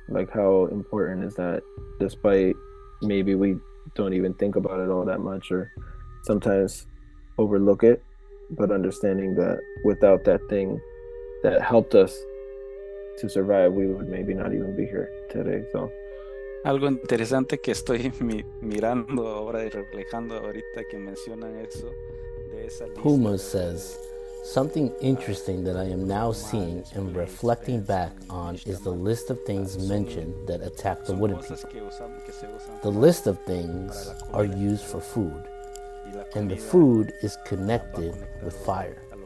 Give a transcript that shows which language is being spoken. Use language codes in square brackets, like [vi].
[en] Like, how important is that, despite maybe we don't even think about it all that much or sometimes overlook it, but understanding that without that thing that helped us to survive, we would maybe not even be here today. So [es] algo interesante que estoy mirando ahora y reflejando ahorita que mencionan eso. [en] Puma says, something interesting that I am now seeing and reflecting back on is the list of things mentioned that attack the wooden people. The list of things are used for food, and the food is connected with fire.